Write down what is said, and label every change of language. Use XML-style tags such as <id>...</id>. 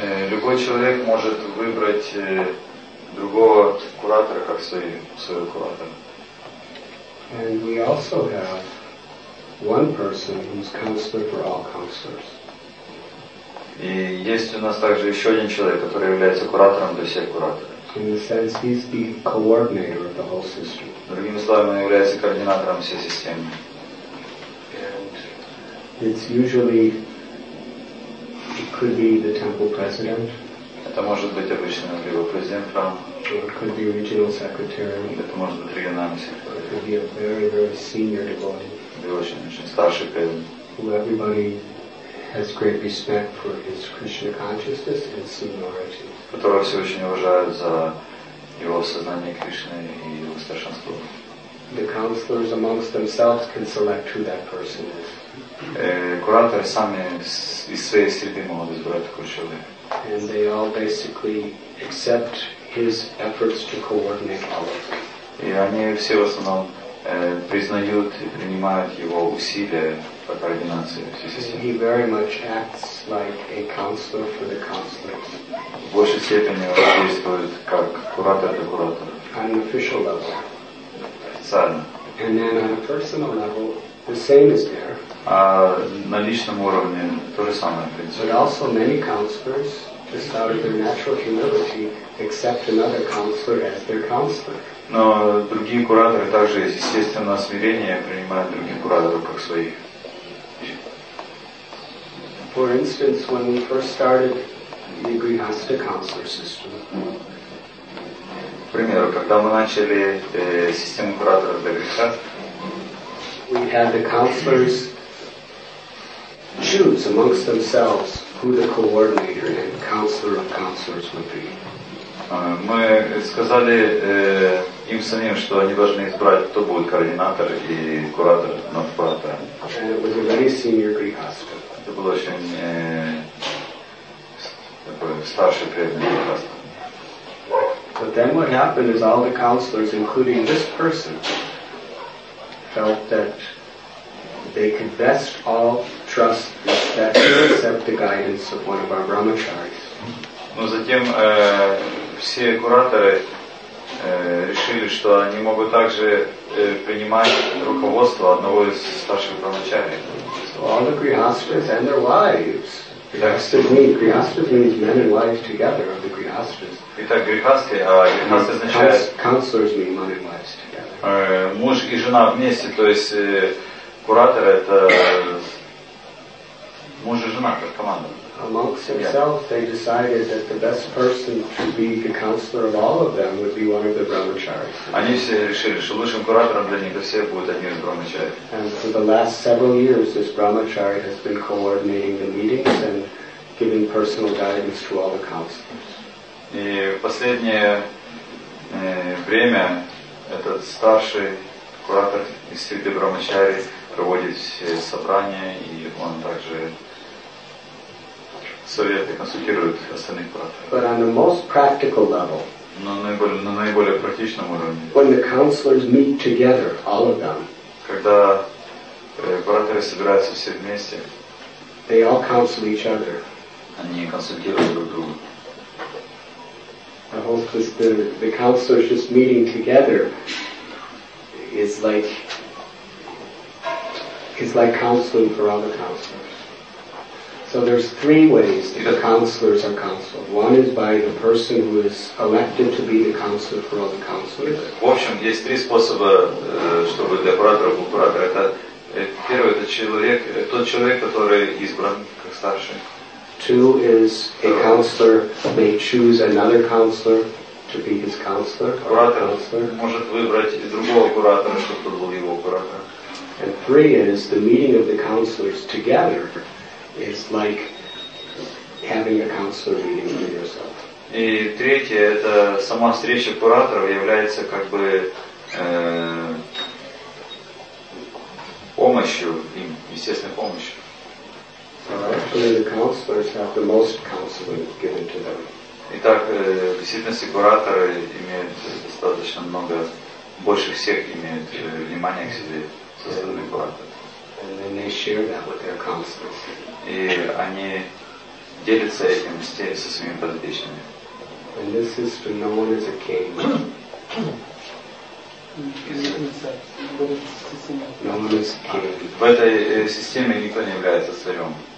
<ru>Любой человек может выбрать другого куратора как своего куратора.</ru> <en>And we also have one person who's counselor for all counselors.</en> <ru>И есть у нас также еще один человек, который является куратором для всех кураторов.</ru> <en>In a sense, he's the coordinator of the whole system.</en> <ru>Другими словами, он является координатором всей системы.</ru> <en>It's usually, it could be the temple president.</en> <ru>Это может быть обычно либо президент храма.</ru> <en>Or it could be regional secretary.</en> <ru>Это может быть региональный секретарь.</ru> <en>It could be a very, very senior devotee.</en> <ru>Очень старший преданный.</ru> <en>Who everybody has great respect for his Krishna consciousness and seniority.</en> <ru>Которого все очень уважают за его сознание Кришны и его старшинство.</ru> <en>The counselors amongst themselves can select who that person is.</en> <ru>Кураторы сами из своей среды могут избрать такого человека.</ru> <en>And they all basically accept his efforts to coordinate all of them.</en> <ru>И они все в основном признают и принимают его усилия по координации всей системы.</ru> <en>He very much acts like a counselor for the counselors.</en> <ru>В большей степени он действует как куратор для куратора.</ru> <en>On an official level.</en> <ru>Официально.</ru> <en>And then on a personal level, the same is there.</en> <ru>А на личном уровне то же самое, в принципе.</ru> <en>But also many counselors, just out of their natural humility, accept another counselor as their counselor.</en> <ru>Но другие кураторы также, естественно, смирение принимают других кураторов как своих.</ru> <en>For instance, when we first started the Grihastha counselor system.</en> <ru>К примеру, когда мы начали систему кураторов для Грихастхи,</ru> <en>we had the counselors choose amongst themselves who the coordinator and counselor of counselors would be.</en> <ru>Мы сказали им самим, что они должны избрать, кто будет координатор и куратор над куратором.</ru> <en>And it was a very senior grihastha.</en> <ru>Это был очень такой старший преданный грихастха.</ru> <en>But then what happened is all the counselors, including this person, felt that they could best all trust that they accept the guidance of one of our brahmacharis.</en> <ru>Но затем все кураторы решили, что они могут также принимать руководство одного из старших брамачари.</ru> <en>So all the grihasthas and their wives. Grihasthas means men and wives together of the grihasthas.</en> <ru>Итак, грихасты, а грихасты означает...</ru> <en>Counselors mean men and wives together.</en> <ru>Муж и жена вместе, то есть... Куратор это муж и жена как команда.</ru> <en>Amongst themselves, they decided that the best person to be the counselor of all of them would be one of the brahmacharis.</en> <ru>Они все решили, что лучшим куратором для них всех будет один из брахмачари.</ru> <en>And for the last several years, this brahmachari has been coordinating the meetings and giving personal guidance to all the counselors.</en> <ru>И в последнее время этот старший куратор из среды брахмачари проводит все собрания, и он также советы консультирует остальных кураторов.</ru> <en>But on the most practical level,</en> <ru>на наиболее практичном уровне,</ru> <en>when the counselors meet together, all of them,</en> <ru>когда кураторы собираются все вместе,</ru> <en>they all counsel each other.</en> <ru>Они консультируют друг друга.</ru> <en>I hope that the counselors just meeting together is like It's like counseling for all the counselors. So So there's three ways that the counselors are counseled. One is by the person who is elected to be the counselor for all the counselors.</en> <ru>В общем, есть три способа, чтобы для куратора был куратор. Это первый, это человек, тот человек, который избран как старший.</ru> <en>Two is a counselor may choose another counselor to be his counselor.</en> <ru>Куратор может выбрать другого куратора, чтобы тот был его куратором.</ru> <en>And three is the meeting of the counselors together is like having a counselor meeting for yourself.</en> <ru>И третье, это сама встреча кураторов является как бы помощью им, естественной помощью.</ru> <en>Actually, the counselors have the most counseling given to them.</en> <ru>Итак, в действительности кураторы имеют достаточно много, больше всех имеют внимания к себе со стороны куратора.</ru> <en>And then they share that with their counselors.</en> <ru>И они делятся этим со своими подопечными.</ru> <en>And this is known as a king. Known as a king.</en> <ru>В этой системе никто не является царем.</ru>